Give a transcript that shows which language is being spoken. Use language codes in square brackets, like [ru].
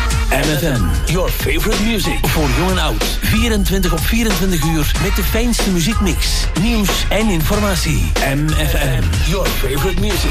[en] MFM, your favorite music. [nl] Voor jong en oud. 24 op 24 uur met de fijnste muziekmix, nieuws en informatie. [en] MFM, your favorite music.